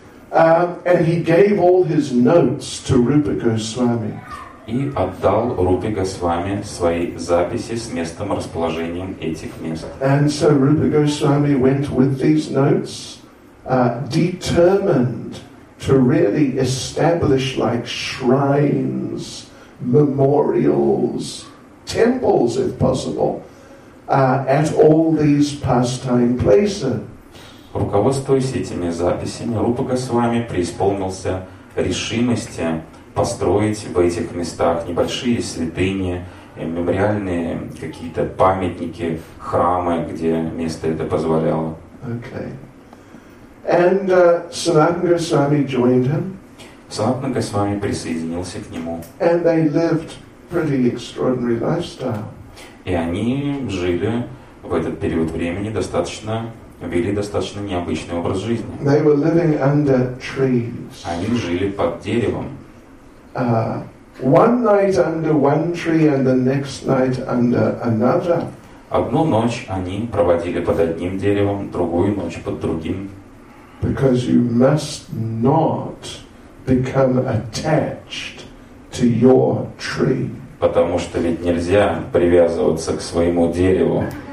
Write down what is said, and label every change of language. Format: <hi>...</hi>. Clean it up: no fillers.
<en>And he gave all his notes to Rupa Goswami.</en> <ru>И отдал Рупе Госвами свои записи с местом расположения этих мест.</ru> <en>And so Rupa Goswami went with these notes, determined to really establish like shrines, memorials, temples, if possible, at all these pastime places.</en> <ru>Руководствуясь этими записями, Рупа Госвами преисполнился решимости построить в этих местах небольшие святыни, мемориальные какие-то памятники, храмы, где место это позволяло.</ru> <en>Okay. And Sanatana Goswami joined him.</en> <ru>Sanatana Goswami присоединился к нему.</ru> <en>And they lived pretty extraordinary lifestyle.</en> <ru>И они жили в этот период времени достаточно. Вели достаточно необычный образ жизни.</ru> <en>They were living under trees.</en> <ru>Они жили под деревом.</ru> <en>One night under one tree and the next night under another.</en> <ru>Одну ночь они проводили под одним деревом, другую ночь под другим.</ru> <en>Because you must not become attached to your tree.</en> <ru>Потому что ведь нельзя привязываться к своему дереву.</ru>